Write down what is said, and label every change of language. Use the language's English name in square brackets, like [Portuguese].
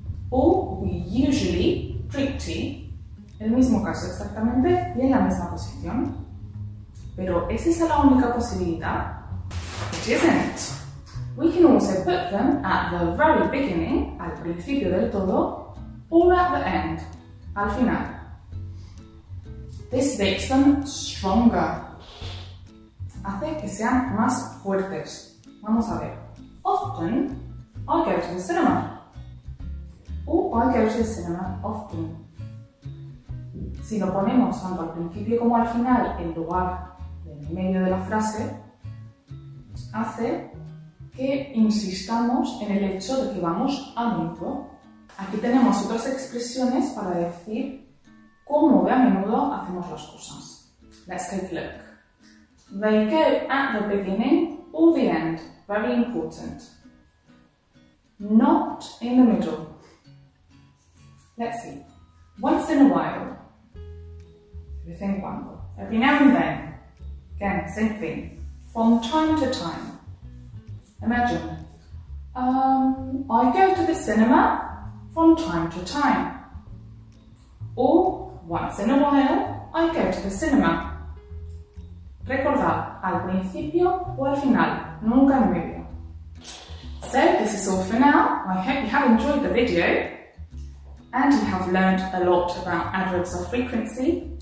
[English] Or we usually drink tea, [Spanish] el mismo caso exactamente y en la misma posición. Pero ¿es esa la única posibilidad? [English] It isn't. We can also put them at the very beginning, [Spanish] al principio del todo, [English] or at the end, [Spanish] al final. [English] This makes them stronger. [Spanish] Hace que sean más fuertes. Vamos a ver. [English] Often, I go to the cinema. Or I go to the cinema often. [Spanish] Si lo ponemos tanto al principio como al final en lugar del medio de la frase, hace que insistamos en el hecho de que vamos a menudo. Aquí tenemos otras expresiones para decir cómo de a menudo hacemos las cosas. [English] Let's take a look. They go at the beginning or the end. Very important. Not in the middle. Let's see. Once in a while. [Spanish] De vez en cuando. [English] Every now and then. Again, same thing. From time to time. Imagine. I go to the cinema from time to time. Or, once in a while, I go to the cinema. [Spanish] Recordad, al principio o al final, nunca en medio. [English] So, this is all for now. I hope you have enjoyed the video and you have learned a lot about adverbs of frequency.